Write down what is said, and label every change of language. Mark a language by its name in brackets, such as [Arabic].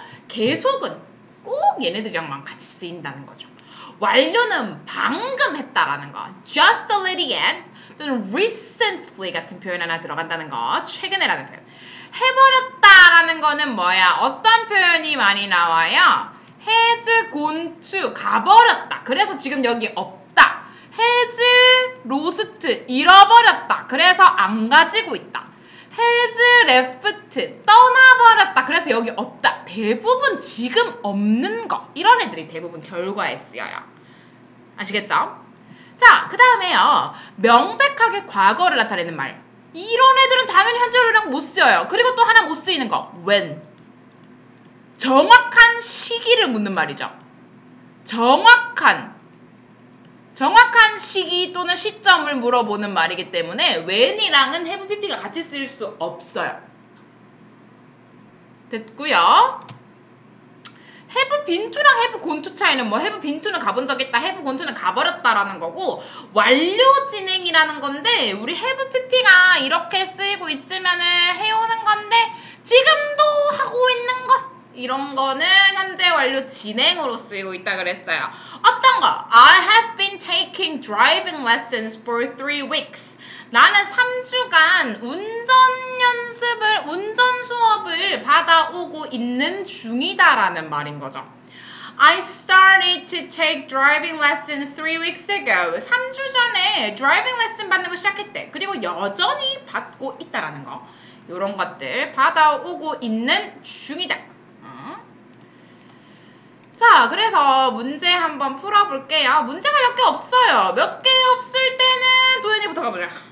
[Korean] 계속은 꼭 얘네들이랑만 같이 쓰인다는 거죠. 완료는 방금 했다라는 거, just a little yet, 또는 recently 같은 표현 하나 들어간다는 거, 최근에라는 표현. 해버렸다라는 거는 뭐야? 어떤 표현이 많이 나와요? [English] has gone to, [Korean] 가버렸다. 그래서 지금 여기 없다. [English] has lost, [Korean] 잃어버렸다. 그래서 안 가지고 있다. [English] has left, [Korean] 떠나버렸다. 그래서 여기 없다. 대부분 지금 없는 거. 이런 애들이 대부분 결과에 쓰여요. 아시겠죠? 자, 그 다음에요. 명백하게 과거를 나타내는 말. 이런 애들은 당연히 현재로는 못 쓰여요. 그리고 또 하나 못 쓰이는 거. [English] when. [Korean] 정확한 시기를 묻는 말이죠. 정확한 시기 또는 시점을 물어보는 말이기 때문에 when이랑은 have pp가 같이 쓰일 수 없어요. 됐고요. have been to랑 have gone to 차이는 뭐, have been to는 가본 적 있다, have gone to는 가버렸다라는 거고, 완료 진행이라는 건데 우리 have pp가 이렇게 쓰이고 있으면은 해오는 건데 지금도 하고 있는 거, 이런 거는 현재 완료 진행으로 쓰이고 있다 그랬어요. 어떤 거? [English] I have been taking driving lessons for 3 weeks. [Korean] 나는 3주간 운전 연습을, 운전 수업을 받아오고 있는 중이다 라는 말인 거죠. [English] I started to take driving lessons 3 weeks ago. [Korean] 3주 전에 driving lesson 받는 거 시작했대. 그리고 여전히 받고 있다라는 거. 이런 것들 받아오고 있는 중이다. 자, 그래서 문제 한번 풀어볼게요. 문제가 몇 개 없어요. 몇 개 없을 때는 도현이부터 가보자.